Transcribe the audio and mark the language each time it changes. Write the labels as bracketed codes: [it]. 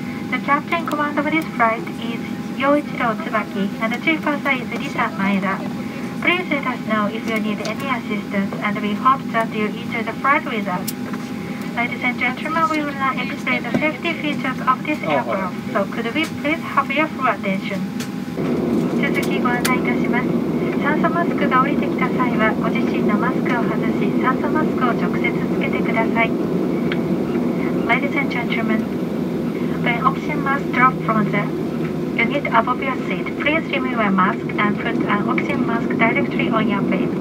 [en] The captain command of this flight is Yoichiro Tsubaki and the chief officer is Lisa Maeda. Please let us know if you need any assistance and we hope that you enjoy the flight with us. Ladies and gentlemen, we will now explain the safety features of this aircraft, so could we please have your full attention? [ja] 続きご案内いたします。酸素マスクが降りてきた際はご自身のマスクを外し酸素マスクを直接つけてください。 [en] Ladies and gentlemen, when oxygen mask drop from the unit above your seat, please remove your mask and put an oxygen mask directly on your face.